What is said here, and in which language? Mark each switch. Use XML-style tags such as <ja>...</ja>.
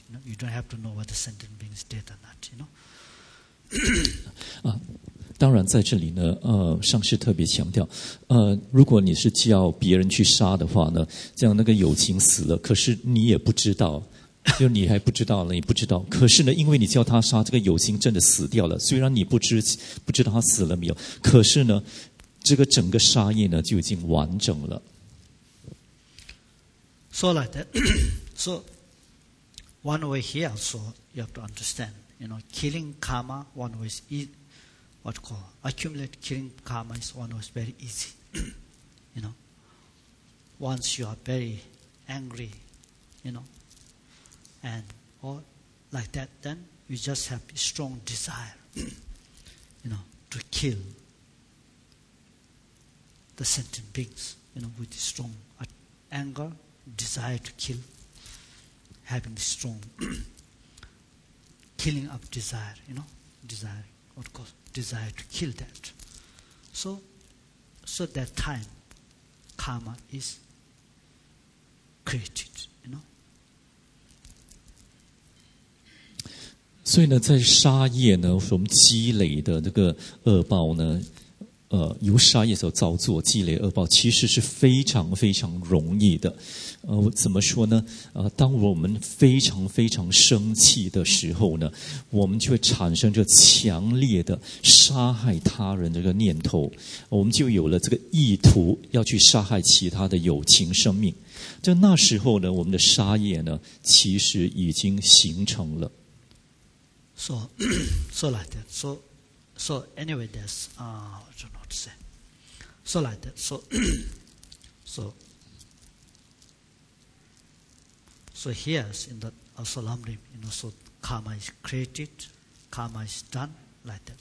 <en>You know, you don't have to know whether sentient being is dead or not. You know.</en> <zh>啊，当然在这里呢，上师特别强调，如果你是叫别人去杀的话呢，这样那个友情死了，可是你也不知道。就你还不知道了，你不知道。可是呢，因为你叫他杀，这个友情真的死掉了。虽然你不知道他死了没有，可是呢，这个整个杀业呢就已经完整了。</zh> <en>So like that. So one way here, so you have to understand, you know, killing karma, one way is what you call accumulate killing karma is one way is very easy. You know, once you are very angry, you know, and or like that, then you just have a strong desire, you know, to kill the sentient beings, you know, with strong anger, desire to kill, having strong killing of desire, you know, desire, what called desire to kill that. So that time, karma is created, you know.</en> <zh>所以呢，在杀业呢，我们积累的那个恶报呢，由杀业所造作积累恶报，其实是非常非常容易的。怎么说呢？当我们非常非常生气的时候呢，我们就会产生这强烈的杀害他人这个念头，我们就有了这个意图要去杀害其他的有情生命。在那时候呢，我们的杀业呢，其实已经形成了。</zh> <en>So like that. So anyway, that's what you want to say. So like that. So here's in the Asalamrim, you know, so karma is created, karma is done, like that.</en>